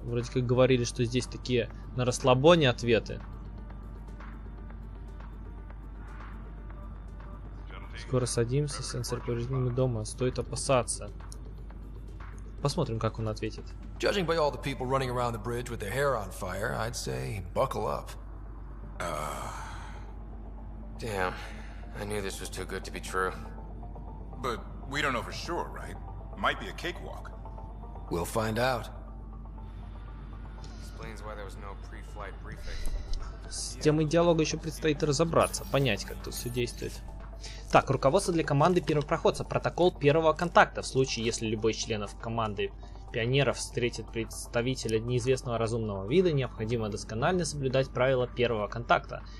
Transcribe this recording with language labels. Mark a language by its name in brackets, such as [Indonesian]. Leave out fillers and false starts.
[Russian] Вроде как говорили, что здесь такие на расслабоне ответы. Скоро садимся, сенсор повреждений, мы дома. Стоит опасаться. Посмотрим, как он ответит. [English] Judging by all the people running around the bridge with their hair on fire, I'd say buckle up. Damn. I knew this was too good to be true. But... We don't know for sure, right? Might be a cakewalk. We'll find out. Explains why there was no pre-flight briefing. [Russian] С темой диалога еще предстоит разобраться, понять, как тут все действует. Так, руководство для команды первопроходца. Протокол первого контакта. В случае, если любой из членов команды пионеров встретит представителя неизвестного разумного вида, необходимо досконально соблюдать правила первого контакта.